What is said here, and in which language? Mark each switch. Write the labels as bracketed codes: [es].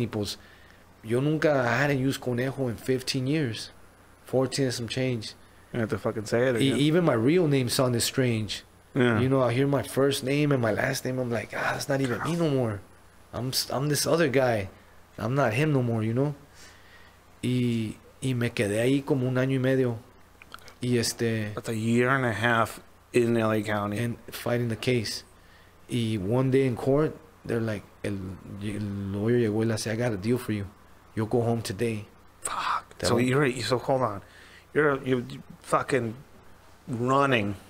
[es] Y pues, yo nunca, [en] I hadn't used Conejo in 15 years, 14 and some change. You have to fucking say it again. Even my real name sounded strange. Yeah. You know, I hear my first name and my last name. I'm like, that's not even me no more. I'm this other guy. I'm not him no more, you know? [es] Y me quedé ahí como un año y medio. Y este, [en] that's a year and a half in LA County. And fighting the case. Y one day in court, they're like, [es] el lawyer llegó y le dice, [en] I got a deal for you. You'll go home today. Fuck. So hold on. You're fucking running.